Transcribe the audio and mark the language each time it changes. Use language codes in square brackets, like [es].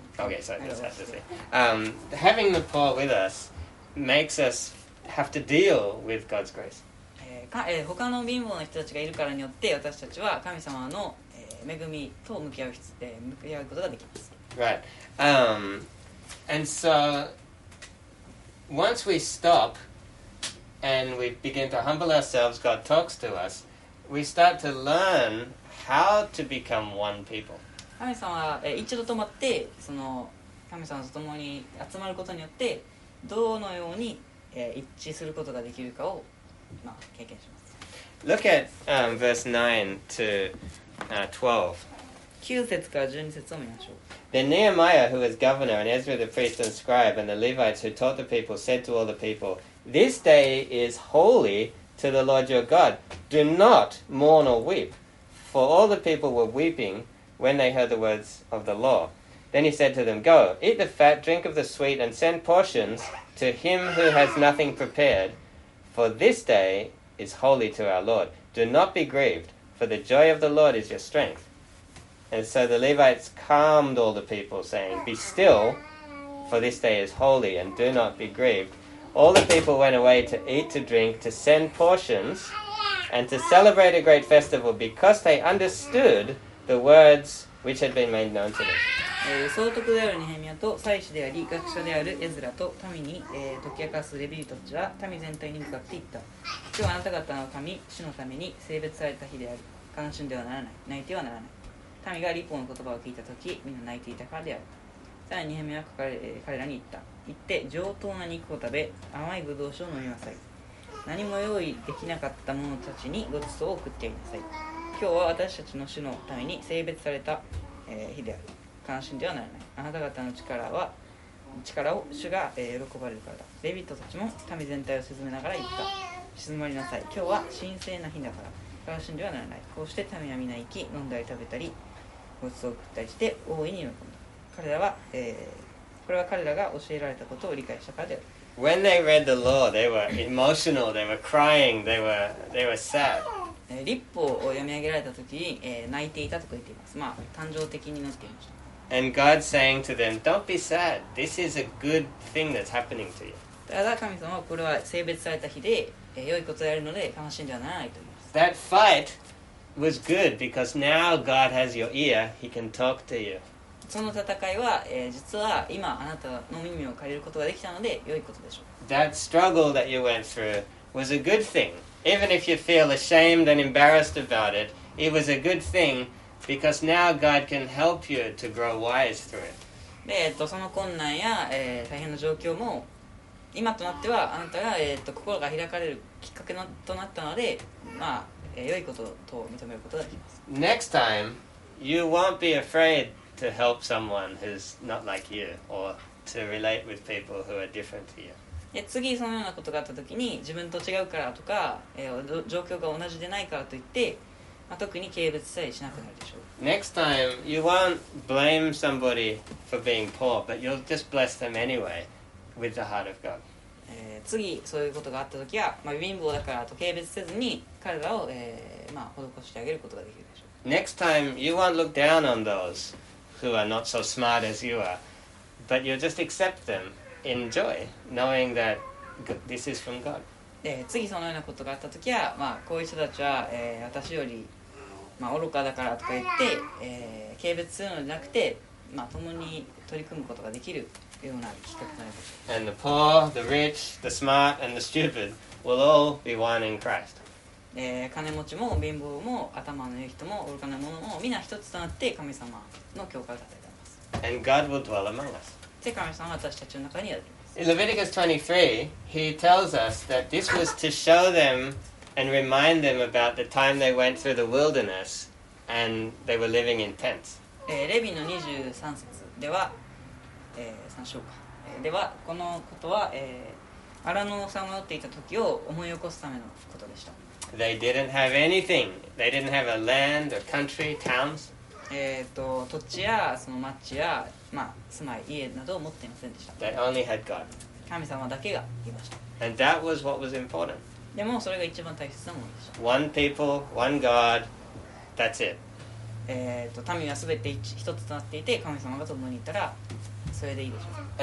[en] Having the poor with us makes us have to deal with God's grace. [ja] 他の貧乏な人たちがいるからによって私たちは神様の、恵みと向き合うことができます。 [en] Right. And so once we stop and we begin to humble ourselves, God talks to us. We start to learn how to become one people. [ja] 神様は一度止まってその神様と共に集まることによってどのように一致することができるかを、まあ、経験します。 [en] Look at verse 9 to 12. [ja] 9節から12節を見ましょう。 [en] Then Nehemiah, who was governor, and Ezra the priest and scribe, and the Levites who taught the people, said to all the people, "This day is holy to the Lord your God. Do not mourn or weep, for all the people were weeping. When they heard the words of the law, then he said to them, "Go, eat the fat, drink of the sweet, and send portions to him who has nothing prepared. For this day is holy to our Lord. Do not be grieved, for the joy of the Lord is your strength." And so the Levites calmed all the people, saying, "Be still, for this day is holy, and do not be grieved." All the people went away to eat, to drink, to send portions, and to celebrate a great festival, because they understood.The words which had been made known to them. [ja] 総督であるニヘミヤと祭司であり学者であるエズラと民に、解き明かすレビ人たちは民全体に向かって言った。今日はあなた方の民、主のために聖別された日である。悲しんではならない。泣いてはならない。民が律法の言葉を聞いたとき、みんな泣いていたからであった。さらにニヘミヤは彼らに言った。行って上等な肉を食べ、甘いブドウ酒を飲みなさい。何も用意できなかった者たちにご馳走を送ってやりなさい。今日は私たちの主のために聖別された、日である。悲しんではならない。あなた方の力を主が、喜ばれるからだ。レビットたちも民全体を沈めながら言った。静まりなさい。今日は神聖な日だから。悲しんではならない。こうして民は皆生き、飲んだり食べたり、ご馳走を送ったりして大いに喜んだ。彼らは、これは彼らが教えられたことを理解したからである。 [en] When they read the law, they were emotional, they were crying, they were sad. [ja] 律法を読み上げられた時に、泣いていたと言っています。まあ、感情的になっていました。 [en] And God saying to them, don't be sad, this is a good thing that's happening to you. [ja] ただ神様はこれは聖別された日で、良いことをやるので悲しんではならないと言います。 [en] That fight was good because now God has your ear, he can talk to you. [ja] その戦いは、実は今あなたの耳を借りることができたので良いことでしょう。 [en] That struggle that you went through was a good thing. Even if you feel ashamed and embarrassed about it, it was a good thing because now God can help you to grow wise through it. [ja] で、その困難や、大変な状況も今となってはあなたが、心が開かれるきっかけのとなったので、まあ、良いことと認めることができます。 [en] Next time, you won't be afraidto help someone who's not like you or to relate with people who are different to you. [ja] 次そのようなことがあったときに自分と違うからとか、状況が同じでないからといって、まあ、特に軽蔑さえしなくなるでしょう。 [en] Next time, you won't blame somebody for being poor, but you'll just bless them anyway with the heart of God. [ja] 次そういうことがあったときは、まあ、貧乏だからと軽蔑せずに彼らを、まあ、施してあげることができるでしょう。 [en] Next time, you won't look down on thosewho are not so smart as you are, but you just accept them in joy, knowing that this is from God. [ja] 次そのようなことがあったときは、まあ、こういう人たちは、私より、まあ、愚かだからとか言って、軽蔑するのではなくて、まあ、共に取り組むことができるようなきっかけになります。 [en] And the poor, the rich, the smart, and the stupid will all be one in Christ. [ja] 金持ちも貧乏も頭のいい人も愚かな者もみんな一つとなって神様の教会を建てています。 [en] And God will dwell among us. [ja] 神様は私たちの中にあります。 [en] In Leviticus 23, he tells us that this was to show them and remind them about the time they went through the wilderness and they were living in tents. [ja] レビの23節では、参照か。ではこのことは、アラノをさまよっていた時を思い起こすためのことでした。 [en] They didn't have anything. They didn't have a land, a country, towns. [ja] 土地やその町や、まあ、住まい、家などを持っていませんでした。 [en] They only had God. [ja] 神様だけがいました。 [en] And that was what was important. [ja] でもそれが一番大切なものでした。 [en] One people, one God, that's it. [ja] 民はすべて一つとなっていて、神様が共にいたらそれでいいでしょう。